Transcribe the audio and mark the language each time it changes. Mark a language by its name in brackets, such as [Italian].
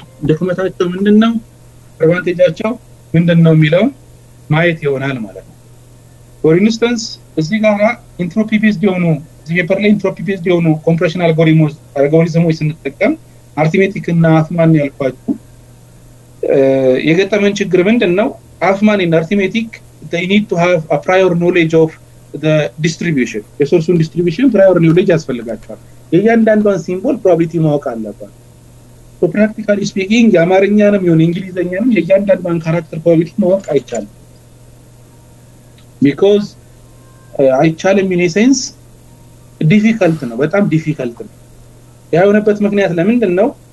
[Amharic] ዶክመንታቸው ምንድነው? አድቫንቴጃቸው ምንድነው የሚለው ማየት ይሆናል ማለት ነው። [English] for instance [Amharic] እዚህ ጋር entropy based የሆኑ የፐር ላይ entropy based የሆኑ compression algorithms ስንጠቀም arithmetic እና Hafman ያልኳችሁ የገጠመን ችግር ምንድነው? [English] Hafman እና arithmetic they need to have a prior knowledge of the distribution. The source distribution prior knowledge [Amharic] ያስፈልጋቸዋል። የእያንዳንዷን ሲምቦል probability ማወቅ አለባቸው። [English] So practically speaking [Amharic] የአማርኛንም ይሁን እንግሊዘኛንም የእያንዳንዷን ካራክተር probability ማወቅ አይቻልም። Because አይቻልም in a sense difficult ነው። በጣም difficult ነው። ያ የሆነበት ምክንያት ለምንድን ነው?